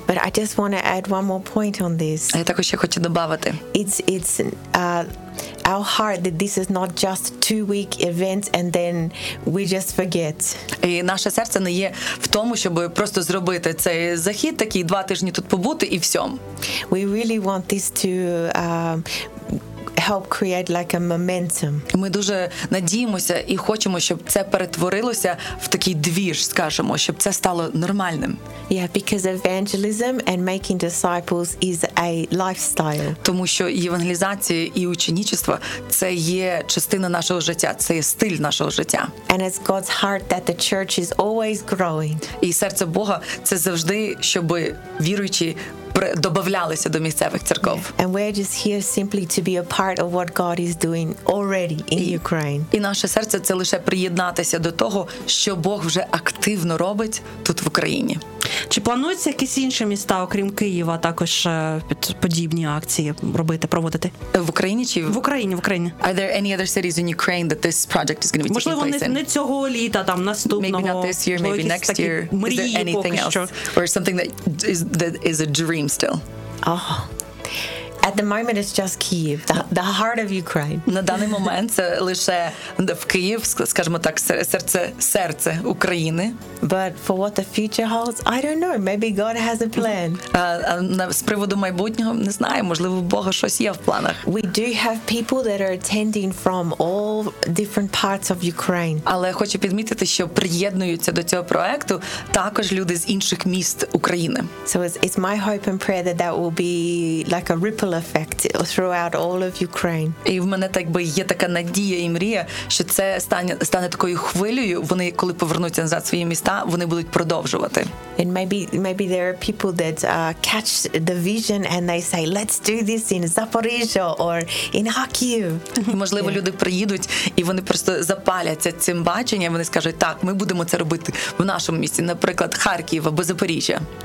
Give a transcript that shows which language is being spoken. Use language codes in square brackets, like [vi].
[en] But I just want to add one more point on this. [uk] А я також ще хочу додати. [en] It's our heart that this is not just 2-week events and then we just forget. [uk] І наше серце не є в тому, щоб просто зробити цей захід такий, 2 тижні тут побути і всьом. [en] We really want this to help create like a momentum. [uk] Ми дуже надіємося і хочемо, щоб це перетворилося в такий двіж, скажімо, щоб це стало нормальним. [en] Yeah, because evangelism and making disciples is a lifestyle. [uk] Тому що євангелізація і ученичество це є частина нашого життя, це є стиль нашого життя. [en] And it's God's heart that the church is always growing. [uk] І серце Бога це завжди, щоб віруючі додавалися до місцевих церков. [en] And we're just here simply to be a part of what God is doing already in Ukraine. [uk] І наше серце це лише приєднатися до того, що Бог вже активно робить тут в Україні. Чи плануються якісь інші міста, окрім Києва, також подібні акції робити, проводити? В Україні чи? В Україні, в Україні. [en] Are there any other cities in Ukraine that this project is going to be [uk] можливо, [en] taking place [uk] не, [en] in? [uk] Не цього літа, там, наступного. [en] Maybe not this year, maybe next year. [uk] Мрії, [en] is there anything else? [uk] Що? [en] Or something that is a dream still? Oh. At the moment it's just Kyiv, the heart of Ukraine. [uk] На даний момент це лише в Київ, скажімо так, серце України. [en] But for what the future holds, I don't know. Maybe God has a plan. [uk] З приводу майбутнього не знаю, можливо, Бога щось є в планах. [en] We do have people that are attending from all different parts of Ukraine. [uk] Але хочу підмітити, що приєднуються до цього проекту також люди з інших міст України. [en] So it's my hope and prayer that will be like a ripple effect throughout all of Ukraine. [uk] І в мене так би є така надія і мрія, що це стане такою хвилею, вони коли повернуться назад в свої міста, вони будуть продовжувати. [en] And maybe there are people that catch the vision and they say let's do this in Zaporizhzhia or in Kharkiv. [uk] Можливо, люди приїдуть і вони просто запаляться цим баченням, вони скажуть: "Так, ми будемо це робити в нашому місті, наприклад, Харків або Запоріжжя".